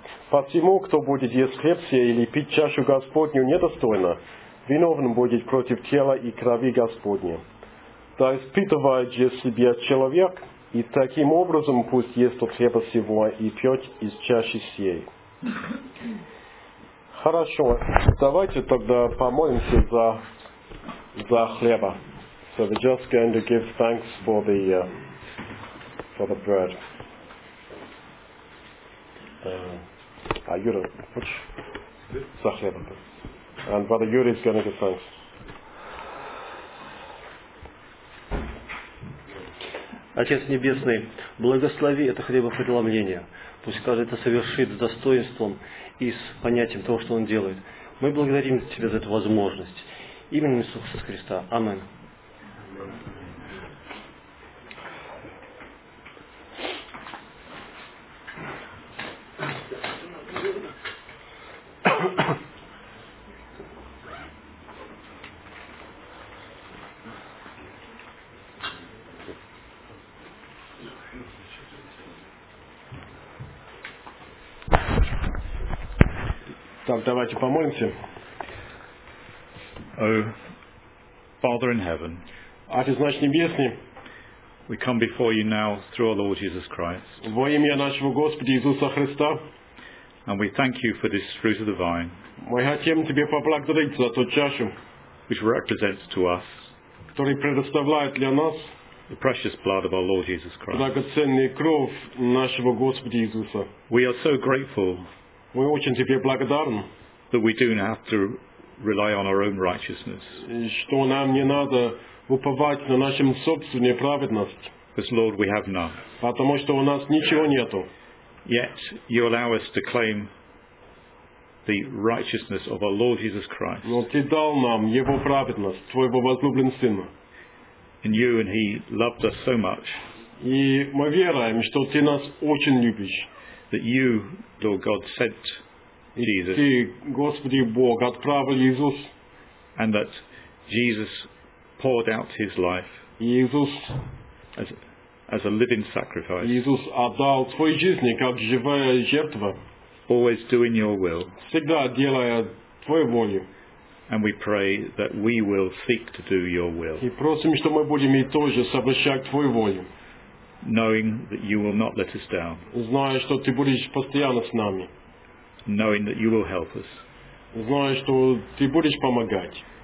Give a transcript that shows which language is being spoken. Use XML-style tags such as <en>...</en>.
<ru>Посему, кто будет есть хлеб сей или пить чашу Господню недостойно, виновен будет против тела и крови Господня. Да испытывает же себя человек, и таким образом пусть ест от хлеба сего и пьет из чаши сей. Хорошо, давайте тогда помолимся за хлеба.</ru> <en>So we're just going to give thanks for the bread.</en> <ru>А Юра, хочешь за хлебом?</ru> <en>And Brother Yuri is going to give thanks.</en> <ru>Отец Небесный, благослови это хлебопреломление. Пусть каждый это совершит с достоинством и с понятием того, что он делает. Мы благодарим Тебя за эту возможность. Именем Иисуса Христа. Амин. Давайте помолимся.</ru> <en>Oh, Father in heaven,</en> <ru>Отец наш небесный,</ru> <en>we come before you now through our Lord Jesus Christ.</en> <ru>Во имя нашего Господа Иисуса Христа.</ru> <en>And we thank you for this fruit of the vine.</en> <ru>Мы хотим тебе поблагодарить за ту чашу,</ru> <en>which represents to us,</en> <ru>который предоставляет для нас,</ru> <en>the precious blood of our Lord Jesus Christ.</en> <ru>Драгоценная кровь нашего Господа Иисуса.</ru> <en>We are so grateful.</en> <ru>Мы очень тебе благодарны,</ru> <en>that we do not have to rely on our own righteousness.</en> <ru>Что нам не надо уповать на нашем собственной праведности.</ru> <en>Because, Lord, we have none.</en> <ru>Потому что у нас ничего нету.</ru> <en>yet you allow us to claim the righteousness of our Lord Jesus Christ.</en> <ru>Но ты дал нам Его праведность, Твоего возлюбленного Сына.</ru> <en>And you and He loved us so much.</en> <ru>И мы верим, что Ты нас очень любишь.</ru> <en>That you, Lord God, sent Jesus.</en> <ru>Ты, Господи Бог, отправил Иисус.</ru> <en>And that Jesus poured out His life.</en> <ru>Иисус.</ru> <en>As a living sacrifice.</en> <ru>Иисус отдал свою жизнь как живая жертва.</ru> <en>Always doing your will.</en> <ru>Всегда делая твою волю.</ru> <en>And we pray that we will seek to do your will.</en> <ru>И просим, что мы будем и тоже совершать твою волю.</ru> <en>Knowing that you will not let us down.</en> <ru>Зная, что ты будешь постоянно с нами.</ru> <en>Knowing that you will help us.</en> <ru>Зная, что ты будешь помогать.</ru>